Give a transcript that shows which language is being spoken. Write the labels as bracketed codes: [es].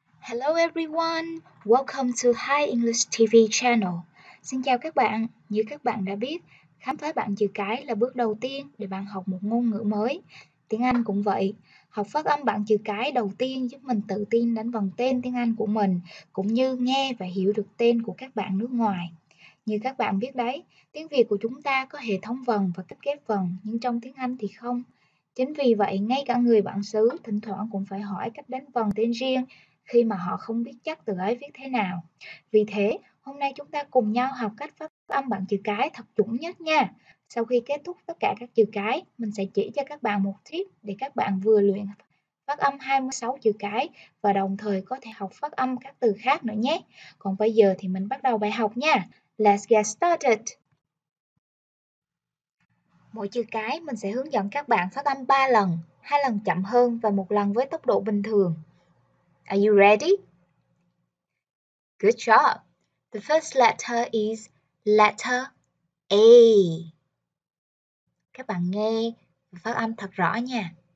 [en] Hello everyone, welcome to Hi English TV channel. [vi] Xin chào các bạn, như các bạn đã biết, khám phá bảng chữ cái là bước đầu tiên để bạn học một ngôn ngữ mới. Tiếng Anh cũng vậy, học phát âm bảng chữ cái đầu tiên giúp mình tự tin đánh vần tên tiếng Anh của mình, cũng như nghe và hiểu được tên của các bạn nước ngoài. Như các bạn biết đấy, tiếng Việt của chúng ta có hệ thống vần và cách ghép vần, nhưng trong tiếng Anh thì không. Chính vì vậy, ngay cả người bản xứ thỉnh thoảng cũng phải hỏi cách đánh vần tên riêng, khi mà họ không biết chắc từ ấy viết thế nào. Vì thế, hôm nay chúng ta cùng nhau học cách phát âm bảng chữ cái thật chuẩn nhất nha. Sau khi kết thúc tất cả các chữ cái, mình sẽ chỉ cho các bạn một tip để các bạn vừa luyện phát âm 26 chữ cái và đồng thời có thể học phát âm các từ khác nữa nhé. Còn bây giờ thì mình bắt đầu bài học nha. [en] Let's get started! [vi] Mỗi chữ cái mình sẽ hướng dẫn các bạn phát âm 3 lần, 2 lần chậm hơn và 1 lần với tốc độ bình thường. [en] Are you ready? Good job. The first letter is letter A. [vi] Các bạn nghe và phát âm thật rõ nha.